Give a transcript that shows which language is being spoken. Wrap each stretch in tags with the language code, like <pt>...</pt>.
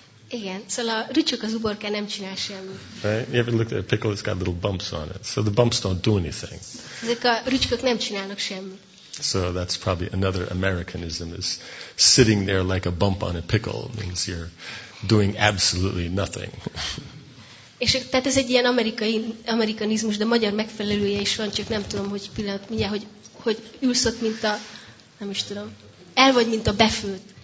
<hu>Igen, szóval a rücsök az uborka nem csinál semmit.</hu> <en>Right? You ever looked at a pickle? It's got little bumps on it. So the bumps don't do anything.</en> <hu>Ezek a rücsök nem csinálnak semmit.</hu> <en>So that's probably another Americanism, is sitting there like a bump on a pickle, means you're doing absolutely nothing.</en> <hu>És tehát ez egy ilyen amerikanizmus, de magyar megfelelője is van, csak nem tudom, hogy pillanat, mindjárt, hogy ülsz ott, mint a, nem is tudom, el vagy, mint a befőtt.</hu>